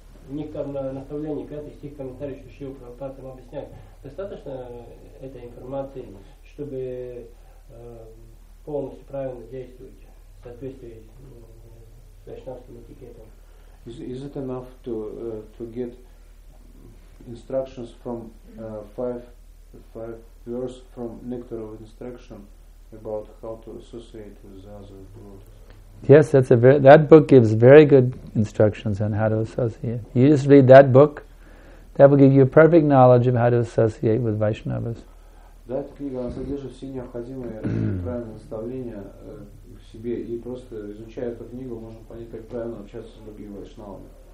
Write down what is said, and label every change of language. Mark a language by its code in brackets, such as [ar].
[ru] Не как на наставлении пятый стих комментарий, что Шрила Прабхупада нам объясняет. Достаточно этой информации, чтобы полностью правильно действовать в соответствии с вайшнавским этикетом. [en] Is it enough to get instructions from five verses from Nectar of Instruction about how to associate with the other devotees? Yes, that book gives very good instructions on how to associate. You just read that book, that will give you a perfect knowledge of how to associate with Vaishnavas. [ru] That книга содержит все необходимые правильные наставления к себе, и просто изучая эту книгу, можно понять, как правильно общаться с другими вайшнавами.